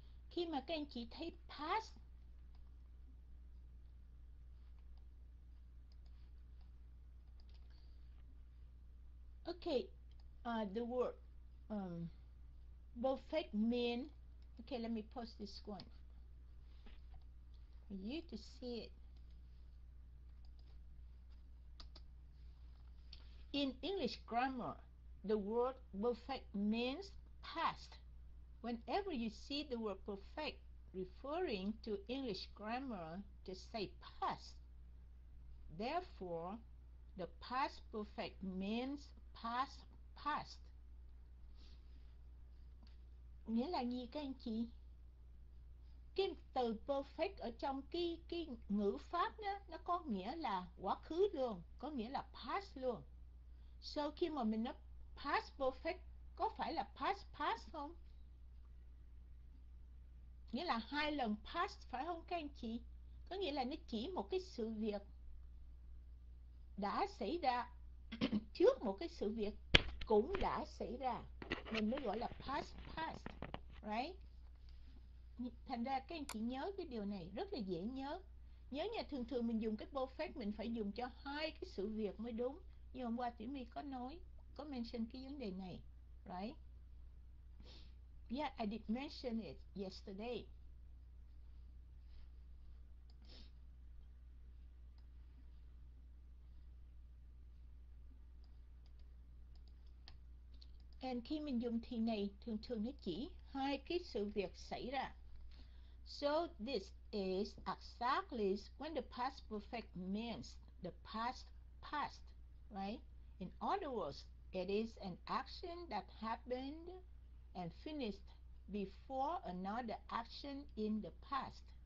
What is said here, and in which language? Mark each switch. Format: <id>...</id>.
<vi>Khi mà các anh chị thấy past</vi> <en>okay, the word perfect mean. Okay, let me post this one for you to see it. In English grammar, the word perfect means past. Whenever you see the word perfect referring to English grammar, just say past. Therefore, the past perfect means past, past.</en> <vi>Nghĩa là gì các anh chị? Cái từ perfect ở trong cái ngữ pháp đó, nó có nghĩa là quá khứ luôn, có nghĩa là past luôn. So khi mà mình nói past perfect, có phải là past past không? Nghĩa là hai lần past phải không các anh chị? Có nghĩa là nó chỉ một cái sự việc đã xảy ra trước một cái sự việc cũng đã xảy ra, mình mới gọi là past past, right? Thành ra các anh chị nhớ cái điều này rất là dễ nhớ. Nhớ nha, thường thường mình dùng cái perfect mình phải dùng cho hai cái sự việc mới đúng. Như hôm qua Tiểu My có nói, có mention cái vấn đề này, right?</vi> <en>Yeah, I did mention it yesterday. And</en> <vi>khi mình dùng thì này, thường thường nó chỉ hai cái sự việc xảy ra.</vi> <en>So this is exactly when the past perfect means the past past, right? In other words, it is an action that happened and finished before another action in the past.</en>